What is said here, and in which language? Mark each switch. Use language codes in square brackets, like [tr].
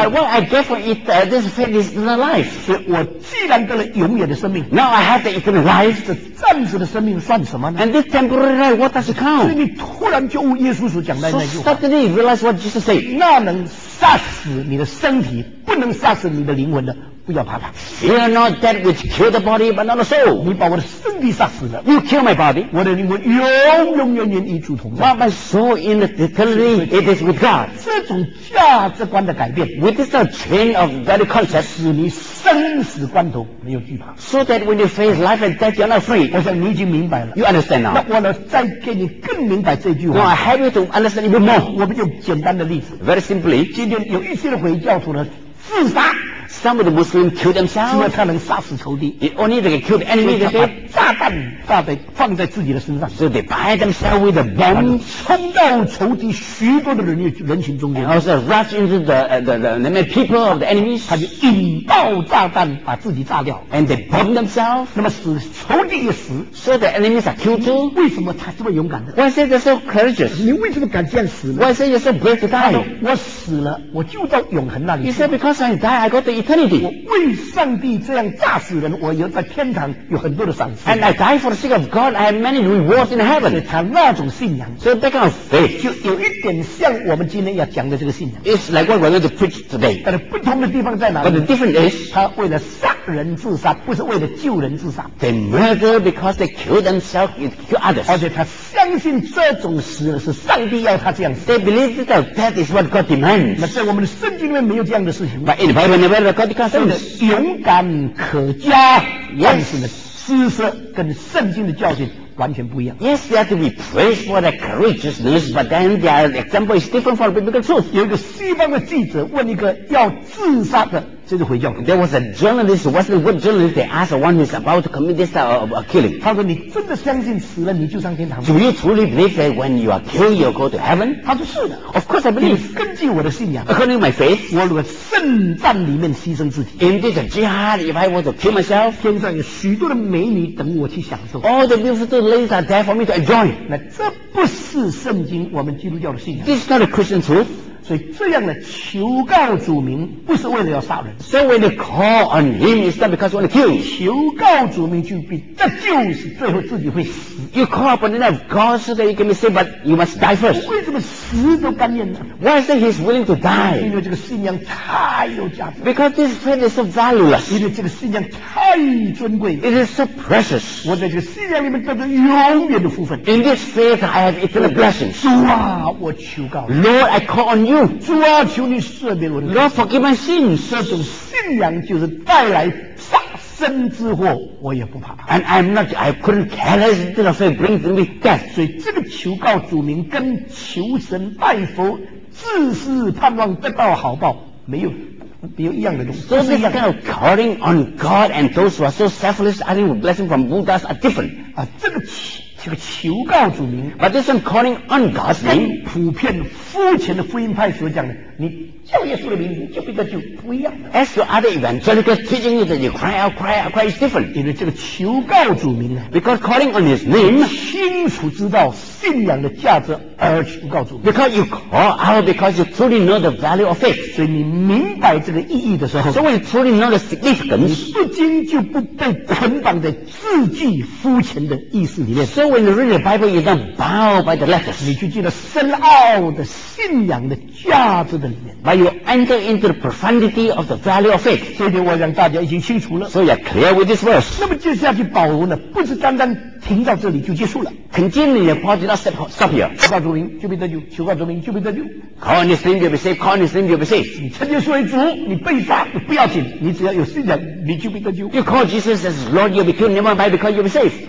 [en] But what I get for it, this faith is the life [zh] 所以我既然得了永远的生命 [en] Now I have the eternal life [zh] 这暂时的生命算什么呢 [en] And this temporary life, what does it count? [zh] 所以你突然就耶稣所讲的那句话 [en] So suddenly you realize what Jesus said [zh] 那能杀死你的身体不能杀死你的灵魂的不要怕他 [en] Fear not that which killed the body but not the soul [zh] 你把我的身体杀死了 [en] You kill my body [zh] 我的灵魂永永远远与主同在 [en] But my soul in the eternity it is with God [zh] 这种价值观的改变 [en] With this chain of value concept [zh] 使你生死关头没有惧怕 [en] So that when you face life and death you are not afraid [zh] 我想你已经明白了 [en] You understand now [zh] 那我呢再给你更明白这句话 [en] No I have you to understand even more [zh] 我们用简单的例子 [en] Very simply [zh] 今天有一些的回教徒呢自杀 [en] Some of the Muslims kill themselves [zh] 因为他能杀死仇敌 [en] It only they can kill the enemy [zh] 把炸弹炸在放在自己的身上 [en] So they buy themselves with a bomb [zh] 冲到仇敌许多的 人群中间 [en] And also rush into the people of the enemies [zh] 他就引爆炸弹把自己炸掉 [en] And they bomb themselves [zh] 那么使仇敌也死 [en] So the enemies are killed too [zh] 为什么他这么勇敢的 [en] Why say they're so courageous [zh] 你为什么敢这样死呢 [en] Why say you're so brave to die [zh] 我死了我就到永恒那里 [en] He said becauseBecause I die, I go to eternity. [zh] 我为上帝这样炸死人，我有在天堂有很多的赏赐。 [en] And I die for the sake of God, I have many rewards in heaven. [zh] 他那种信仰 [en] ，So that kind of faith, [zh] 就有一点像我们今天要讲的这个信仰。 [en] It's like what we're going to preach today. [zh] 但是不同的地方在哪里 [en] ？But the difference is, [zh] 他为了杀人自杀，不是为了救人自杀。 [en] They murder because they kill themselves and kill others. [zh] 而且他相信这种死是上帝要他这样死。 [en] They believe that death is what God demands. [zh] 那在我们的圣经里面没有这样的事情。 [en] But in the Bible, never the God concerns. [zh] 勇敢可嘉，但是呢，姿色跟圣经的教训完全不一样。 [en] Yes, they have to be praised for their courageousness, but then their example is different from biblical truth. [zh] 有一个西方的记者问一个要自杀的这个回教徒。 [en] There was a journalist, Western world journalist, they asked one who's about to commit this type of killing. [zh] 他说：“你真的相信死了你就上天堂吗 [en] ？”Do you truly believe that when you are killed, you go to heaven? [zh] 他说：“是的。 [en] ”Of course, I believe. [zh] 根据我的信仰。 [en] According to my faith, [zh] 我如果圣战里面牺牲自己。 [en] In this jihad, if I were to kill myself, [zh] 天上有许多的美女等我去享受。 [en] All the beautiful ladies are there for me to enjoy. [zh] 那这不是圣经我们基督教的信仰。 [en] This is not a Christian truth. [zh] 所以这样的求告主名不是为了要杀人。 [en] So when they call on him, it's not because you want to kill. [zh] 求告主名就比这就是最后自己会死。 [en] You call upon the name of God so that you can be saved, but you must die first. [zh] 为什么死都甘愿呢？ [en] Why is that he's willing to die? [zh] 因为这个信仰太有价值。 [en] Because this faith is so valueless. [zh] 因为这个信仰太尊贵。 [en] It is so precious. [zh] 我在这个信仰里面得到永远的福分。 [en] In this faith, I have eternal blessings. [zh] 主啊，我求告。 [en] Lord, I call on you. [zh] 主啊，求你赦免我的。 [en] Lord, forgive my sins. [zh] 这种信仰就是带来杀身之祸，我也不怕。 [en] And I'm not, I couldn't care less. This faith brings me death. [zh] 所以这个求告主名跟求神拜佛、自私盼望得到好报没有。 [en] So this kind of calling on God and those who are so selfless asking for blessing from Buddhas are different. [zh] 啊，这个这个求告主名。 [en] But this one calling on God's name. [zh] 跟普遍肤浅的福音派所讲的，你叫耶稣的名字就比较就不一样了。 [en] As to other evangelical teaching is that you cry out, cry out, cry is different. [zh] 因为这个求告主名呢。 [en] Because calling on His name. [zh] 清楚知道信仰的价值而求告主名。 [en] Because you call out because you truly know the value of faith. [zh] 所以你明白这个意义的时候。 [en] So when you truly know the significance. [zh] 你不禁就不被捆绑在字句肤浅的意思里面。 [en] So when you read the Bible, you don't bow by the letters. [zh] 你就记得深奥的信仰的价值的里面。 [en] But you enter into the profundity of the value of faith. [zh] 这点我让大家已经清楚了。 [en] So you're clear with this verse. [zh] 那么接下去保罗呢，不是单单停到这里就结束了。 [en] Continually, Paul did not stop here. [zh] 求告主名就必得救，求告主名就必得救。 [en] Call on His name, you'll be saved. Call on His name, you'll be saved. [zh] 你称耶稣为主，你被杀不要紧，你只要有信仰，你就必得救。 [en] You call Jesus as Lord, you'll be killed. Never mind, because you'll be saved.